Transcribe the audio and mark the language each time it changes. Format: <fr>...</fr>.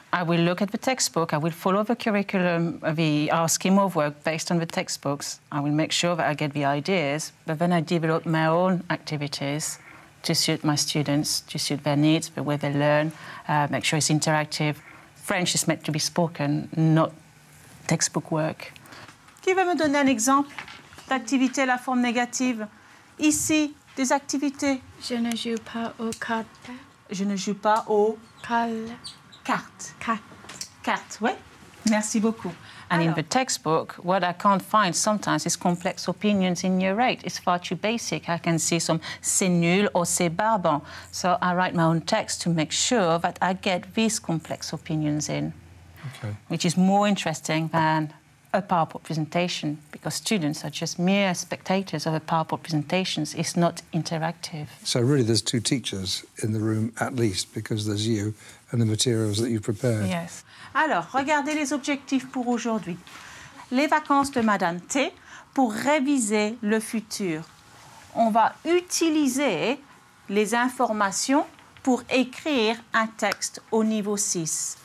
<en>I will look at the textbook, I will follow the curriculum, our scheme of work based on the textbooks. I will make sure that I get the ideas, but then I develop my own activities to suit my students, to suit their needs, the way they learn, make sure it's interactive. French is meant to be spoken, not textbook work.</en> <fr>Qui va me donner un exemple d'activité à la forme négative? Ici, des activités. Je ne joue pas aux cartes. Je ne joue pas au... Carte. Oui. Merci beaucoup.</fr> <en>And in the textbook, what I can't find sometimes is complex opinions in Year 8. It's far too basic. I can see some</en> <fr>c'est nul</fr> <en>or</en> <fr>c'est barbant.</fr> <en>So I write my own text to make sure that I get these complex opinions in. Okay. Which is more interesting than a PowerPoint presentation, because students are just mere spectators of a PowerPoint presentation. It's not interactive. So really there's two teachers in the room, at least, because there's you and the materials that you've prepared. Yes.</en> <fr>Alors, regardez les objectifs pour aujourd'hui. Les vacances de Madame T pour réviser le futur. On va utiliser les informations pour écrire un texte au niveau 6.</fr>